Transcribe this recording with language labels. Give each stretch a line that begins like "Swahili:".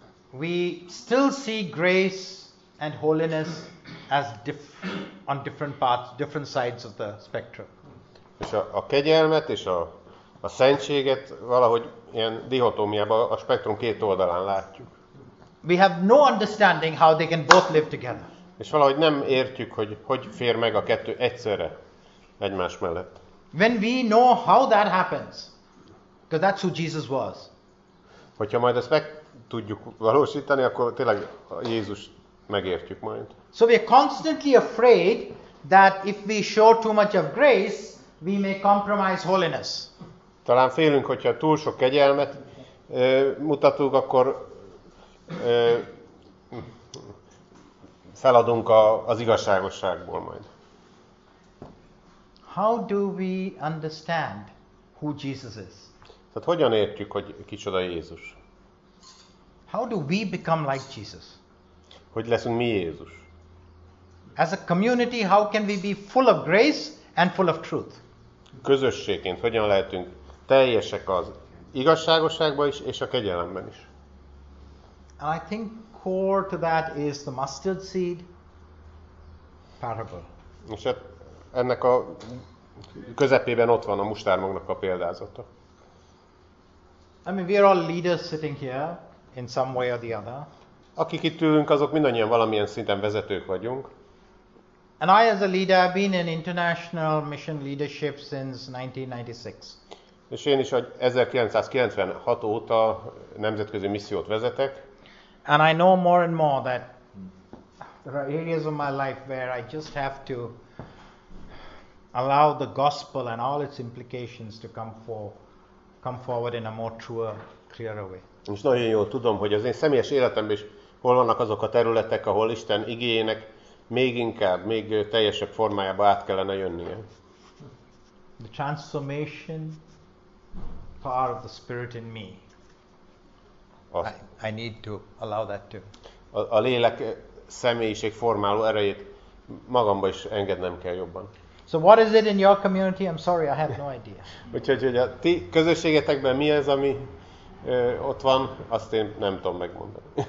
English: We still see grace and holiness as on different paths, different sides of the spectrum.
Hungarian: És a kegyelmet és a szentséget valahogy ilyen dihotómiában a spektrum két oldalán látjuk.
English: We have no understanding how they can both live together.
Hungarian: És valahogy nem értjük, hogy fér meg a kettő egyszerre egymás mellett.
English: When we know how that happens, because that's who Jesus was.
Hungarian: Hogyha majd ezt meg tudjuk valósítani, akkor tényleg Jézus megértjük majd.
English: So we are constantly afraid that if we show too much of grace, we may compromise holiness.
Hungarian: Talán félünk, hogyha túl sok kegyelmet mutatunk, akkor feladunk az igazságosságból majd.
English: How do we understand who Jesus is?
Hungarian: Tehát hogyan értjük, hogy kicsoda Jézus?
English: How do we become like Jesus?
Hungarian: Hogy leszünk mi Jézus?
English: As a community, how can we be full of grace and full of truth?
Hungarian: Közösségként hogyan lehetünk teljesek az igazságosságban is és a kegyelemben is?
English: And I think core to that is the mustard seed parable.
Hungarian: És ennek a közepében ott van a mustármagnak a példázata.
English: I mean, we are all leaders sitting here in some way or the other.
Hungarian: Akik itt ülünk, azok mindannyian valamilyen szinten vezetők vagyunk.
English: And I as a leader have been in international mission leadership since 1996.
Hungarian: És én is 1996 óta nemzetközi missziót vezetek.
English: And I know more and more that there are areas of my life where I just have to allow the gospel and all its implications to come forward in a more truer, clearer way.
Hungarian: És nagyon jól tudom, hogy az én személyes életemben is hol vannak azok a területek, ahol Isten igéjének még inkább, még teljesebb formájába át kellene jönnie.
English: The transformation power of the Spirit in me. I need to allow that to.
Hungarian: A lélek személyiség formáló erejét magamba is engednem kell jobban.
English: So what is it in your community? I'm sorry, I have no idea.
Hungarian: Úgyhogy a ti közösségetekben mi ez, ami ott van, azt én nem tudom megmondani.